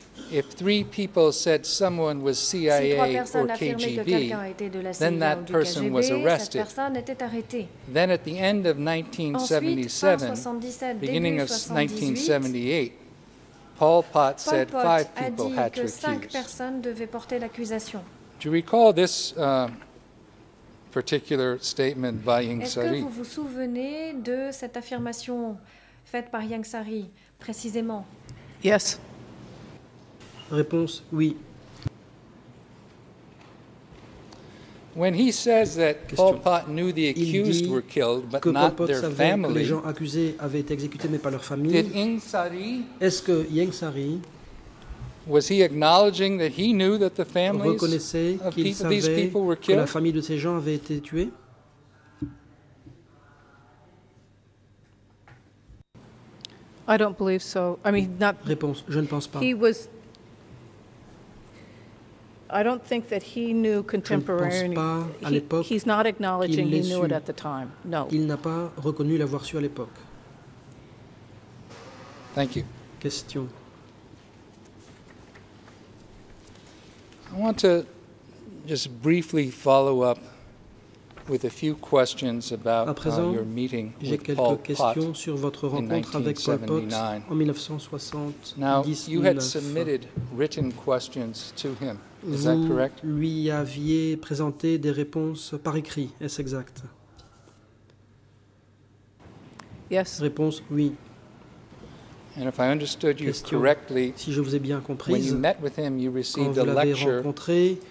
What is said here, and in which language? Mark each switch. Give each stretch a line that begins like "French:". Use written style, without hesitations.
English: If three people said someone was CIA or KGB, then that person was arrested. Then at the end of 1977, beginning of 1978, Pol Pot said five people had to accuse. Do you recall this particular statement by Ing Sari?
French: Est-ce que vous vous souvenez de cette affirmation faite par Ing Sari précisément?
English: Yes.
French: Réponse: oui.
English: When he says that Pol Pot knew the accused were killed but not their family,
French: les gens accusés avaient été exécutés mais pas leur famille.
English: Did Ing Sari,
French: est-ce que Ing Sari,
English: was he acknowledging that he knew that the families of these people were killed?
French: Que la famille de ces gens avait été tuée?
English: I don't believe so. I mean, not.
French: Réponse: je ne pense pas.
English: He was. I don't think that he knew contemporaneously. He's not acknowledging he knew it at the time. No.
French: Il n'a pas reconnu l'avoir su à l'époque.
English: Thank you.
French: Question.
English: I want to just briefly follow up with a few questions about your meeting with Pol Pot in 1979. Now, you had submitted written questions to him. Is that correct?
French: Vous lui aviez présenté des réponses par écrit. Est-ce exact?
English: Yes.
French: Réponse, oui.
English: And if I understood you correctly,
French: si je vous ai bien comprise,
English: when you met with him, you received
French: quand vous
English: a lecture
French: rencontré,